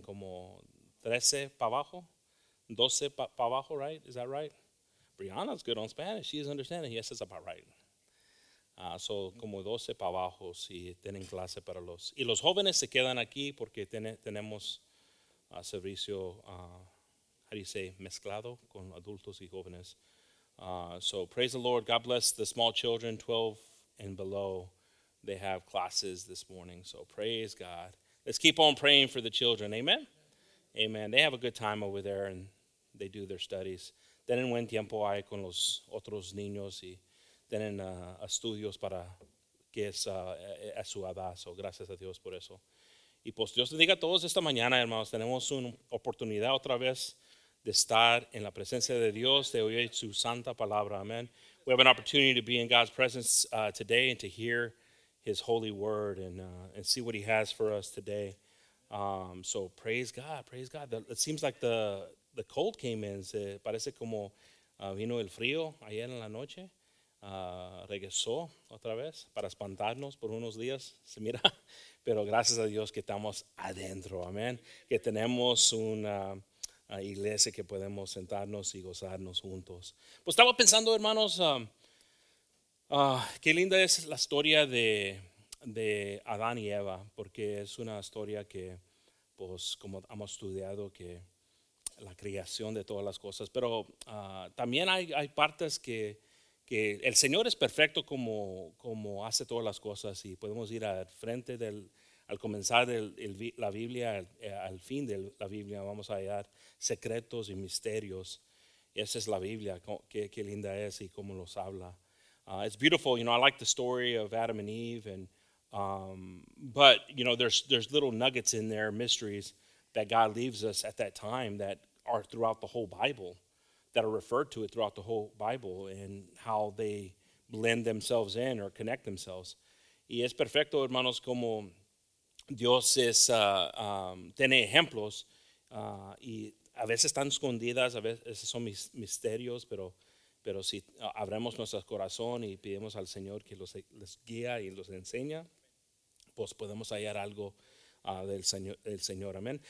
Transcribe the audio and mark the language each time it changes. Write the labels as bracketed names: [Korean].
[Spanish] Como 13 para abajo, 12 para abajo, [English] right? Is that right? Brianna's good on Spanish. She is understanding. Yes, it's about right. [Spanish] So, como 12 para abajo, si tienen clase para los. Y los jóvenes se quedan aquí porque tenemos servicio, [English] how do you say, [Spanish] mezclado con adultos y jóvenes. [English] So, praise the Lord. God bless the small children, 12 and below. They have classes this morning. So, praise God. Let's keep on praying for the children. Amen? Amen. They have a good time over there and they do their studies. [Spanish] Tienen buen tiempo ahí con los otros niños y. Tienen estudios para que es a su edad. So, gracias a Dios por eso. Y pues Dios bendiga a todos esta mañana, hermanos. Tenemos una oportunidad otra vez de estar en la presencia de Dios, de oír su santa palabra. [English] Amen. We have an opportunity to be in God's presence today and to hear his holy word and see what he has for us today. So praise God, praise God. It seems like the cold came in. [Spanish] Se parece como vino el frío ayer en la noche. Regresó otra vez para espantarnos por unos días, se mira, pero gracias a Dios que estamos adentro, amén, que tenemos una iglesia que podemos sentarnos y gozarnos juntos. Pues estaba pensando, hermanos, qué linda es la historia de Adán y Eva, porque es una historia que, pues, como hemos estudiado, que la creación de todas las cosas, pero también hay partes que el Señor es perfecto como hace todas las cosas y podemos ir al frente al comenzar la Biblia, al fin de la Biblia, vamos a hallar secretos y misterios. Esa es la Biblia, qué linda es y cómo los habla. [English] It's beautiful, you know, I like the story of Adam and Eve, and but, you know, there's little nuggets in there, mysteries that God leaves us at that time that are throughout the whole Bible. That are referred to it throughout the whole Bible and how they blend themselves in or connect themselves. [Spanish] Y es perfecto, hermanos, como Dios es, tiene ejemplos y a veces están escondidas, a veces son misterios, pero si abrimos nuestro corazón y pedimos al Señor que los guía y los enseña, pues podemos hallar algo del Señor. Amén.